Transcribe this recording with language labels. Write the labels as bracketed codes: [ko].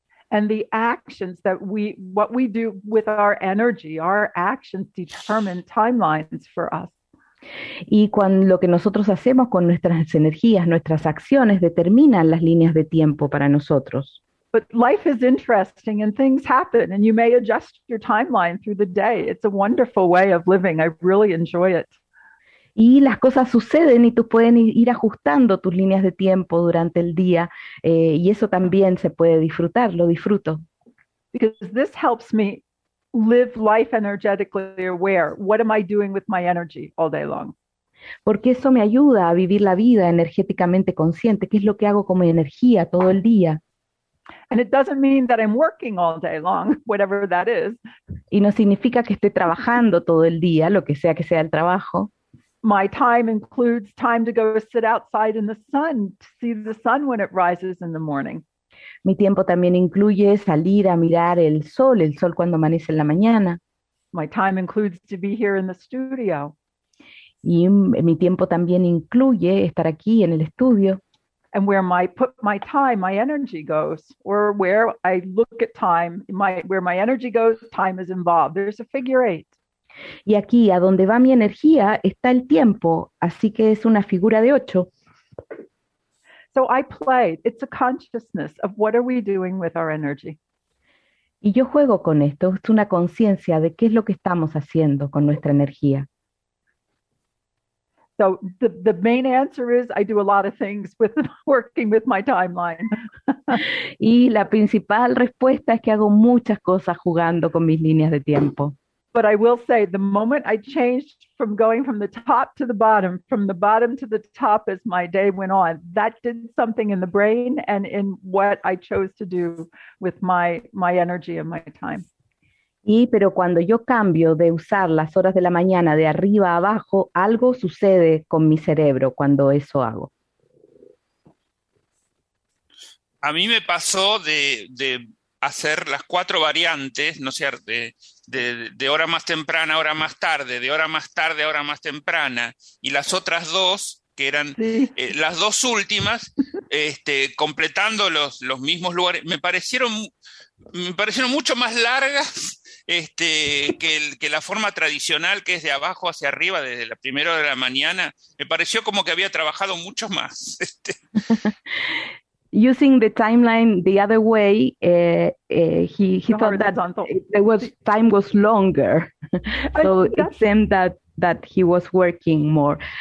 [en] And the actions that what we do with our energy, our actions determine timelines for us. [es] Y lo que nosotros hacemos con nuestras energías, nuestras acciones, determinan las líneas de tiempo para nosotros. [en] But life is interesting and things happen and you may adjust your timeline through the day. It's a wonderful way of living. I really enjoy it. [es] Y las cosas suceden y tú puedes ir ajustando tus líneas de tiempo durante el día y eso también se puede disfrutar, lo disfruto. [en] Because this helps me live life energetically aware. What am I doing with my energy all day long? [es] Porque eso me ayuda a vivir la vida energéticamente consciente. ¿Qué es lo que hago con mi energía todo el día? [en] And it doesn't mean that I'm working all day long, whatever that is. [es] Y no significa que esté trabajando todo el día, lo que sea el trabajo. [en] My time includes time to go sit outside in the sun, to see the sun when it rises in the morning. [es] Mi tiempo también incluye salir a mirar el sol cuando amanece en la mañana. [en] My time includes to be here in the studio. [es] Y mi tiempo también incluye estar aquí en el estudio. [en] And where my put my time, my energy goes, or where I look at time, where my energy goes, time is involved. There's a figure eight. [es] Y aquí, a donde va mi energía, está el tiempo, así que es una figura de ocho. [en] So I play. It's a consciousness of what are we doing with our energy. [es] Y yo juego con esto. Es una conciencia de qué es lo que estamos haciendo con nuestra energía. [en] So the main answer is I do a lot of things with working with my timeline. [es] Y la principal respuesta es que hago muchas cosas jugando con mis líneas de tiempo. [en] But I will say the moment I changed from going from the top to the bottom, from the bottom to the top as my day went on, that did something in the brain and in what I chose to do with my energy and my time. [es] Y pero cuando yo cambio de usar las horas de la mañana de arriba a abajo, algo sucede con mi cerebro cuando eso hago. A mí me pasó de hacer las cuatro variantes, ¿no es cierto? De hora más temprana, hora más tarde, de hora más tarde, hora más temprana, y las otras dos, que eran las dos últimas, completando los mismos lugares, me parecieron mucho más largas. Que la forma tradicional, que es de abajo hacia arriba, desde la primera hora de la mañana, me pareció como que había trabajado mucho más. [en] Using the timeline the other way, he thought that there was time was longer, so it seemed that he was working more.